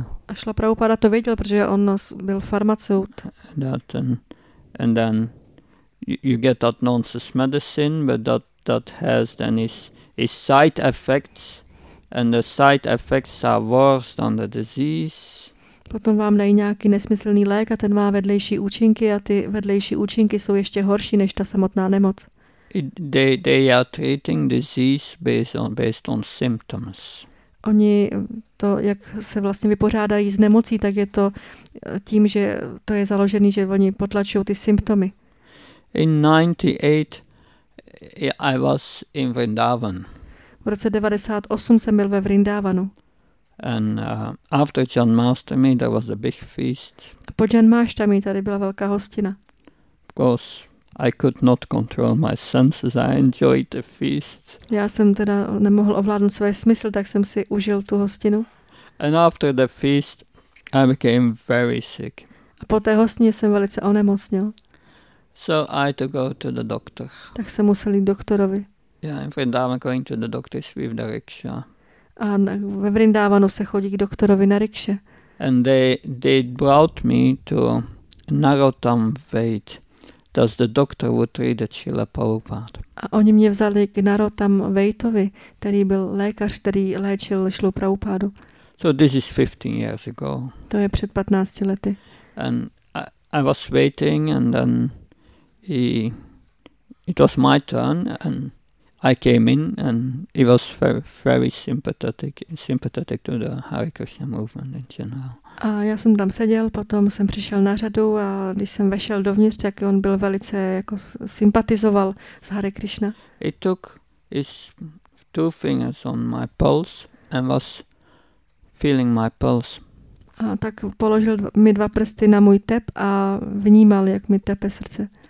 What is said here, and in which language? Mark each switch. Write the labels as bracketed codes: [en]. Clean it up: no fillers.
[cs] A Šla Prabhupáda to věděl, protože on byl farmaceut. [en] And then you get that nonsense medicine, but that has then his side effects. And the side effects are worse than the disease. [cs] Potom vám dají nějaký nesmyslný lék a ten má vedlejší účinky a ty vedlejší účinky jsou ještě horší než ta samotná nemoc. [en] They are treating disease based on symptoms. [cs] Oni to, jak se vlastně vypořádají s nemocí, tak je to tím, že to je založený, že oni potlačují ty symptomy. [en] In 98 I was in Vrindavan. [cs] V roce 98 jsem byl ve Vrindávanu. [en] And after Janmashtami there was a big feast. [cs] Po Janmashtami tady byla velká hostina. [en] Of course, I could not control my senses. I enjoyed the feast. [cs] Já jsem teda nemohl ovládnout své smysl, tak jsem si užil tu hostinu. [en] And after the feast I became very sick. [cs] A po té hostině jsem velice onemocnil. [en] So I had to go to the doctor. [cs] Tak jsem musel jít doktorovi. [en] Yeah, in Vrindavan going to the doctor's with the rickshaw. [cs] A ve Vrindavanu se chodí k doktorovi na rikše. [en] And they brought me to Narottam Vait, thus the doctor would treat the Srila Prabhupada. [cs] A oni mě vzali k Narottam Vaitovi, který byl lékař, který léčil Šlu Prabhupádu. [en] So this is 15 years ago. [cs] To je před 15 lety. [en] And I was waiting and then it was my turn and I came in and he was very, very sympathetic to the Hare Krishna movement in general. [cs] A já jsem tam seděl, potom jsem přišel na řadu a když jsem vešel dovnitř, tak on byl velice jako sympatizoval s Hare Krishna. [en] He took his two fingers on my pulse and was feeling my pulse. [cs] A tak položil mi dva prsty na můj tep a vnímal, jak mi tepe srdce.